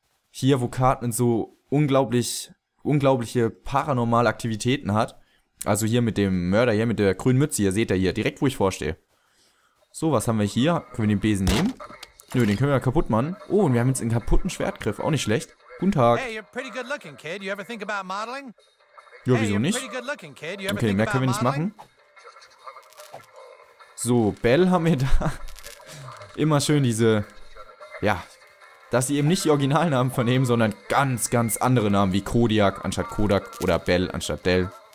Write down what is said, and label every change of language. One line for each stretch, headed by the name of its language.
German: Hier, wo Cartman so unglaubliche paranormale Aktivitäten hat. Also hier mit dem Mörder, hier mit der grünen Mütze, ihr seht ja hier, direkt wo ich vorstehe. So, was haben wir hier? Können wir den Besen nehmen? Nö, den können wir kaputt machen. Oh, und wir haben jetzt einen kaputten Schwertgriff, auch nicht schlecht. Guten Tag.
English: Hey, you're pretty good looking, kid. You ever think about modeling?
German: Ja, wieso nicht? Okay, mehr können wir nicht machen. So, Belle haben wir da. Immer schön diese... Ja, dass sie eben nicht die Originalnamen vernehmen, sondern ganz, ganz andere Namen wie Kodiak anstatt Kodak oder Belle anstatt Dell.